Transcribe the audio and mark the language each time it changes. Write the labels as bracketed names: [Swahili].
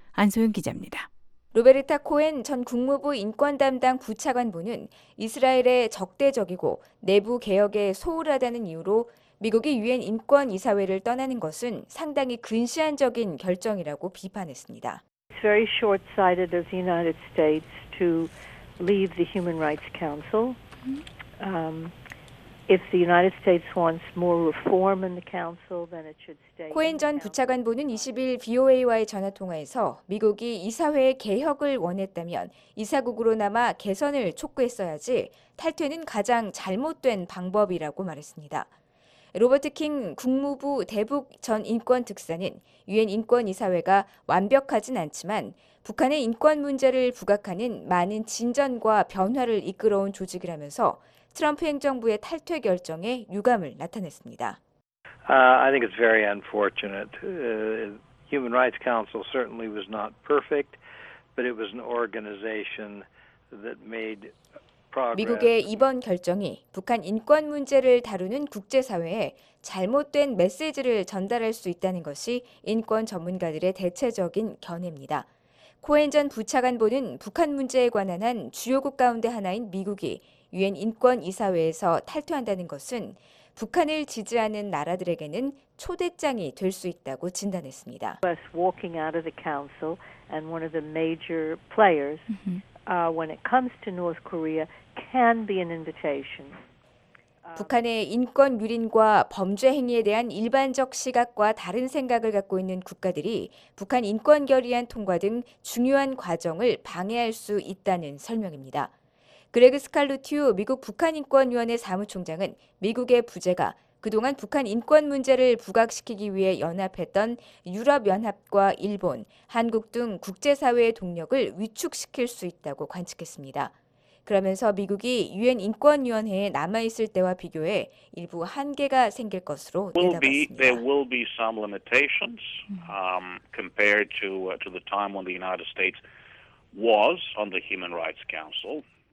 [Korean] 안소영 기자입니다. 로베르타 코엔 전 국무부 인권담당 부차관보는 이스라엘의 적대적이고 내부 개혁에 소홀하다는 이유로 미국이 유엔 인권이사회를 떠나는 것은 상당히 근시안적인 결정이라고 비판했습니다. [English] It's very short-sighted of the United States to leave the Human Rights Council. If the United States wants more reform in the council, then it should stay. [Korean] 코엔 전 부차관보는 20일 VOA와의 전화 통화에서 미국이 이사회의 개혁을 원했다면 이사국으로 남아 개선을 촉구했어야지 탈퇴는 가장 잘못된 방법이라고 말했습니다. 로버트 킹 국무부 대북 전 인권 특사는 유엔 인권 이사회가 완벽하진 않지만 북한의 인권 문제를 부각하는 많은 진전과 변화를 이끌어온 조직이라면서 트럼프 행정부의 탈퇴 결정에 유감을 나타냈습니다. [English] I think it's very unfortunate. Human Rights Council certainly was not perfect, but it was an organization that made [Korean] 미국의 이번 결정이 북한 인권 문제를 다루는 국제사회에 잘못된 메시지를 전달할 수 있다는 것이 인권 전문가들의 대체적인 견해입니다. 코엔 전 부차관보는 북한 문제에 관한 한 주요국 가운데 하나인 미국이 유엔 인권이사회에서 탈퇴한다는 것은 북한을 지지하는 나라들에게는 초대장이 될 수 있다고 진단했습니다. [English] US walking out of the council and one of the major players when it comes to North Korea can be an invitation. [Korean] 북한의 인권 유린과 범죄 행위에 대한 일반적 시각과 다른 생각을 갖고 있는 국가들이 북한 인권 결의안 통과 등 중요한 과정을 방해할 수 있다는 설명입니다. 그레그 스칼루티우 미국 북한인권위원회 사무총장은 미국의 부재가 그동안 북한 인권 문제를 부각시키기 위해 연합했던 유럽연합과 일본, 한국 등 국제사회의 동력을 위축시킬 수 있다고 관측했습니다. 그러면서 미국이 유엔 인권위원회에 남아있을 때와 비교해 일부 한계가 생길 것으로 내다봤습니다. [English] There will be some limitations compared to the time when the United States was on the Human Rights Council.